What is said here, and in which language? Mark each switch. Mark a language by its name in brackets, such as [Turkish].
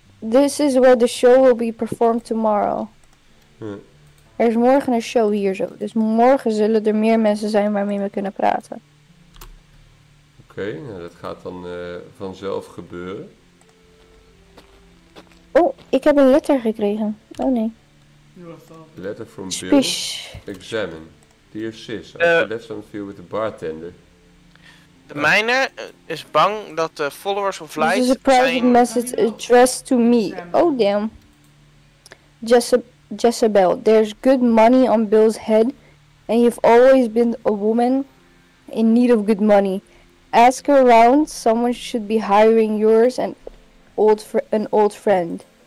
[English] This is where the show will be performed tomorrow. [Dutch] Er is morgen een show hier zo. Dus morgen zullen er meer mensen zijn waarmee we kunnen praten. Oké, okay, nou dat gaat dan vanzelf gebeuren. Oh, ik heb een letter gekregen. Oh nee. [English] Letter from Bill. Spish. Examine. Dear sis, I left some fear with the bartender. [Dutch] De mijne is bang dat de followers of Light zijn... [English] This is a private message addressed to me. Oh damn. Jezebel, there's good money on Bill's head. And you've always been a woman in need of good money. Ask around, someone should be hiring yours and an old friend.